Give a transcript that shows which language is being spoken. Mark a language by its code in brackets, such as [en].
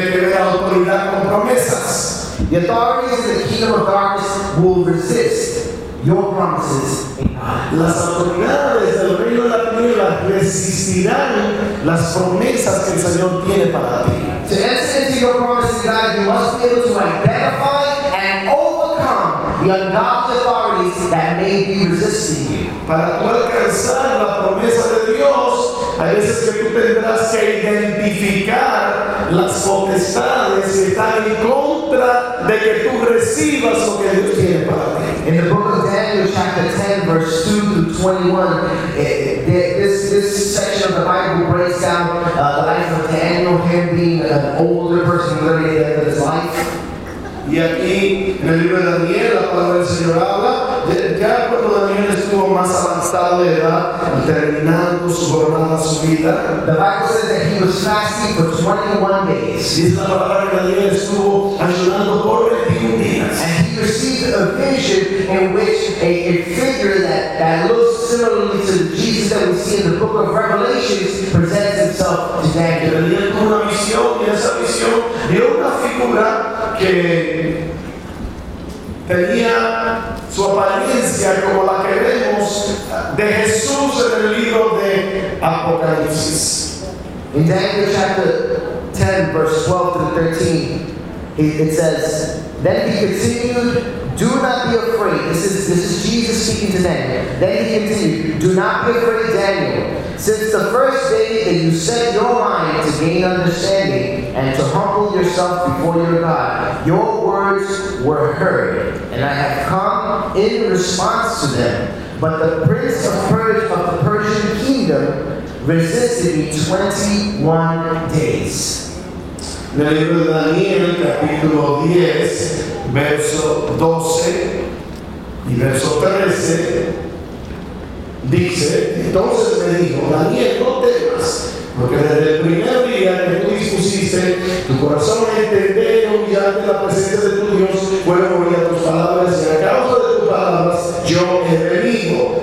[en] What does authority have to do with promises? The authorities in the kingdom of darkness will resist your promises in God. [es] Las autoridades del reino de la tierra resistirán las promesas que el Señor tiene para ti. [en] To enter into your promises in God, you must be able to identify and overcome the ungodly authorities that may be resisting you. [es] Para tú alcanzar la promesa de Dios, a veces que tú tendrás que identificar las potestades que están en contra de que tú recibas lo que Dios tiene para ti. [en] In the book of Daniel, chapter 10, verse 2 to 21, this section of the Bible breaks down the life of Daniel, him being an older person, literally at the end of his life. [es] Y aquí en el libro de Daniel, la palabra del Señor habla, ya cuando Daniel estuvo más avanzado de edad, terminando su jornada, su vida, [en] the Bible says that he was fasting for 21 days. [es] Y esta palabra que Daniel estuvo ayunando por 21 días. [en] And he received a vision in which a figure that looks similarly to Jesus that we see in the book of Revelation presents himself to Daniel. [es] Daniel tuvo una visión, y esa visión dio una figura que tenía su apariencia como la que vemos de Jesús en el libro de Apocalipsis. [en] In Daniel chapter 10, verse 12 to 13, it says, then he continued, do not be afraid. This is Jesus speaking to Daniel. Then he continued, do not be afraid, Daniel. Since the first day that you set your mind to gain understanding and to humble yourself before your God, your words were heard, and I have come in response to them. But the prince of the Persian kingdom resisted me 21 days. [es] En el libro de Daniel, capítulo 10, verso 12 y verso 13, dice, entonces me dijo, Daniel, no temas, porque desde el primer día que tú dispusiste tu corazón a entender y humillarte la presencia de tu Dios, fueron oídas tus palabras, y a causa de tus palabras, yo he venido.